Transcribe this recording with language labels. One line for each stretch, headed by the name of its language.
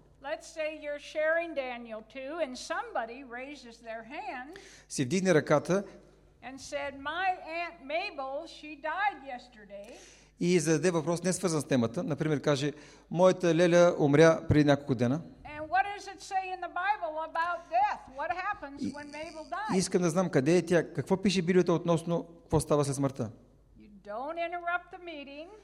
English: let's say you're sharing Daniel 2 and somebody raises their hand.
Bulgarian: Си вдигне ръката.
English: And said, my aunt Mabel, she died yesterday.
Bulgarian: И зададе въпрос не свързан с темата, например каже: моята леля умря преди няколко дена.
English: And what does it say in the Bible about death? What happens when Mabel dies?
Bulgarian: Искам да знам къде е тя, какво пише Библията относно какво става след смъртта.
English: You don't interrupt the meeting.